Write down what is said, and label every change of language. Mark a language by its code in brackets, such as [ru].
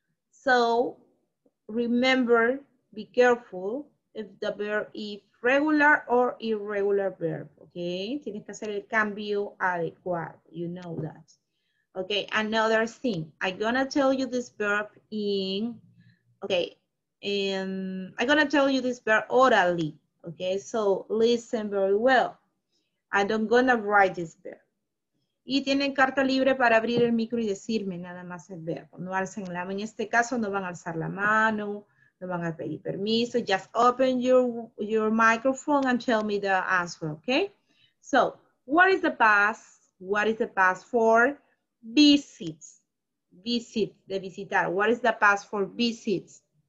[en] So, remember, be careful if the verb is regular or irregular verb, okay? [es] Tienes que hacer el cambio adecuado, you know that. [en] Okay, another thing, I'm gonna tell you this verb in, okay, I'm gonna tell you this verb orally, okay? So, listen very well. I don't gonna write this verb. [es] Y tienen carta libre para abrir el micro y decirme nada más el verbo. No alcen la mano. En este caso no van a alzar la mano, no van a pedir permiso. [en] Just open your microphone and tell me the answer, okay? So, what is the past? What is the past for visits? Visit, de visitar. What is the past for visits?